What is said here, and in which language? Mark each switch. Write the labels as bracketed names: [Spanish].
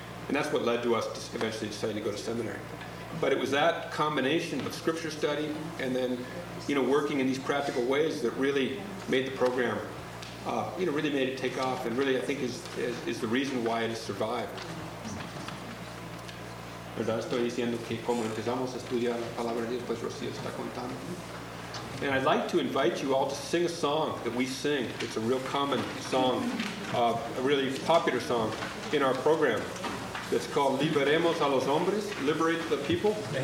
[English] And that's what led to us to eventually deciding to go to seminary. But it was that combination of scripture study and then, you know, working in these practical ways that really made the program, you know, really made it take off, and really, I think, is the reason why it has survived. [Spanish] ¿Verdad? Estoy diciendo que como empezamos a estudiar la palabra de Dios, pues Rocío está contando. [English] And I'd like to invite you all to sing a song that we sing. It's a real common song, a really popular song in our program. It's called Liberemos a los Hombres, Liberate the People.